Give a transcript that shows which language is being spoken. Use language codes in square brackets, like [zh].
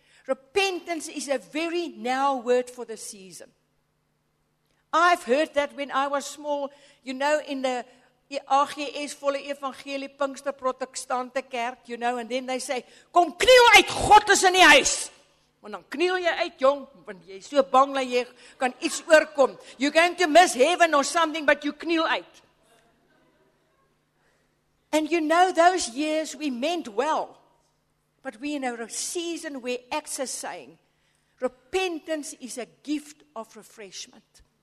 [en] Repentance is a very now word for the season. I've heard that when I was small, you know, in the AGS, Volle Evangelie Pinkster Protestante Kerk, you know, and then they say, [af] kom kniel uit, God is in die huis. En dan kniel jy uit, jong, want jy is so bang dat jy kan iets oorkom. [en] You're going to miss heaven or something, but you [af] kniel uit. [en] And you know, those years we meant well, but we're in a season where Acts is saying, repentance is a gift of refreshment.